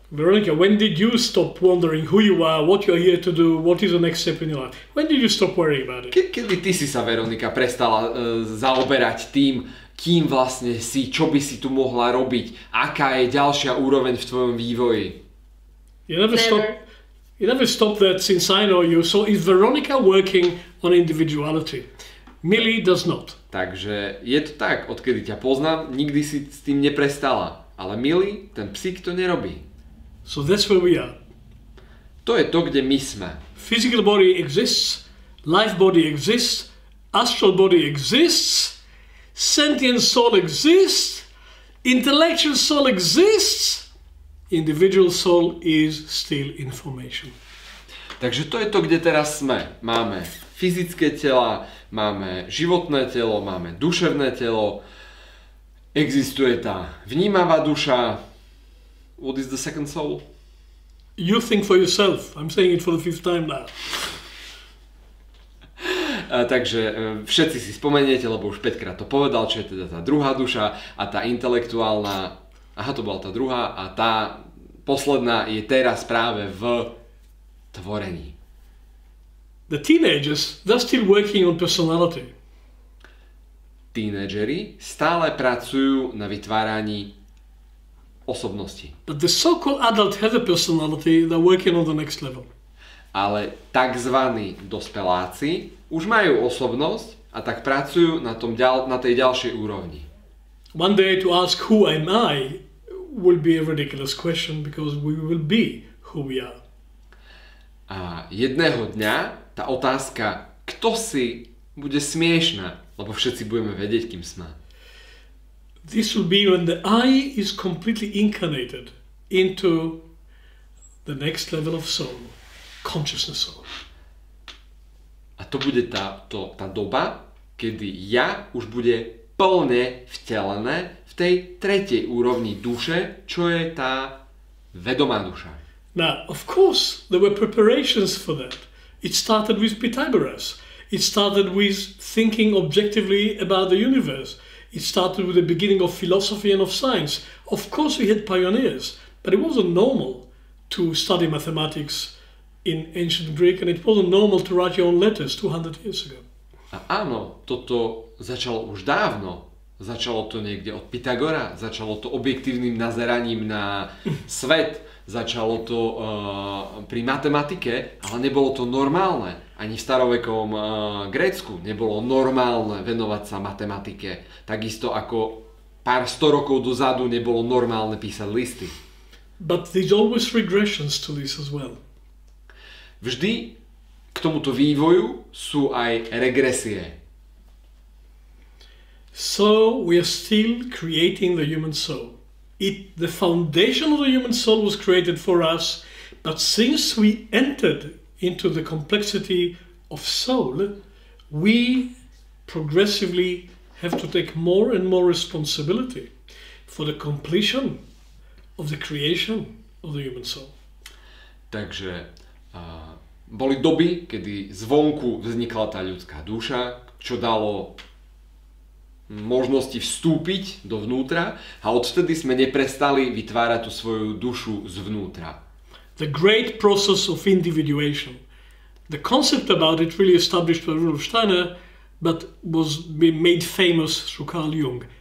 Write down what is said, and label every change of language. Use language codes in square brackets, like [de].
[en] Veronica, when did you stop wondering who you are, what you're here to do, what is the next step in your life? When did you stop worrying about it? [sk] Kedy ty si sa, Veronika, prestala zaoberať tým, kým vlastne si, čo by si tu mohla robiť, aká je ďalšia úroveň v tvojom vývoji? [en] You never stop that since I know you. So is Veronica working on individuality? Millie does not. [sk] Takže je to tak, odkedy ťa poznám, nikdy si s tým neprestala. Ale Millie, ten psík to nerobí. [en] So that's where we are. [sk] To je to, kde my sme. [en] Physical body exists, life body exists, astral body exists, sentient soul exists, intellectual soul exists, individual soul is still in formation. [sk] Takže to je to, kde teraz sme. Máme fyzické tela, máme životné telo, máme duševné telo, existuje tá vnímavá duša. [en] What is the second soul? You think for yourself. I'm saying it for the fifth time now. [sk] Takže všetci si spomeniete, lebo už 5 krát to povedal, čo je teda tá druhá duša a tá intelektuálna, aha, to bola tá druhá, a tá posledná je teraz práve v tvorení. [en] The teenagers, they're still working on personality. [sk] Teenagery stále pracujú na vytváraní osobnosti. [en] But the so-called adult has a personality, they're working on the next level. [sk] Ale takzvaní dospeláci už majú osobnosť a tak pracujú na tej ďalšej úrovni. [en] One day to ask who am I will be a ridiculous question because we will be who we are. [sk] A jedného dňa tá otázka, kto si bude smiešná, lebo všetci budeme vedieť, kým sme. [en] This will be when the I is completely incarnated into the next level of soul, consciousness soul. [sk] A to bude tá doba, kedy ja už bude plne vtelené v tej tretej úrovni duše, čo je tá vedomá duša. [en] Now, of course, there were preparations for that. It started with Pythagoras. It started with thinking objectively about the universe. It started with the beginning of philosophy and of science. Of course we had pioneers, but it wasn't normal to study mathematics in ancient Greek, and it wasn't normal to write your own letters 200 years ago. [sk] A áno, toto začalo už dávno. Začalo to niekde od Pythagora, začalo to objektívnym nazeraním na svet, začalo to pri matematike, ale nebolo to normálne. Ani v starovekom Grécku nebolo normálne venovať sa matematike. Takisto ako pár sto rokov dozadu nebolo normálne písať listy. [en] But there's always regressions to this as well. [sk] Vždy k tomuto vývoju sú aj regresie. [en] So we are still creating the human soul. The foundation of the human soul was created for us, but since we entered into the complexity of soul, we progressively have to take more and more responsibility for the completion of the creation of the human soul. [sk] Takže boli doby, kedy zvonku vznikla tá ľudská duša, čo dalo možnosti vstúpiť dovnútra, a odtedy sme neprestali vytvárať tú svoju dušu zvnútra. [en] The great process of individuation. The concept about it really established by Rudolf Steiner, but was made famous through Carl Jung.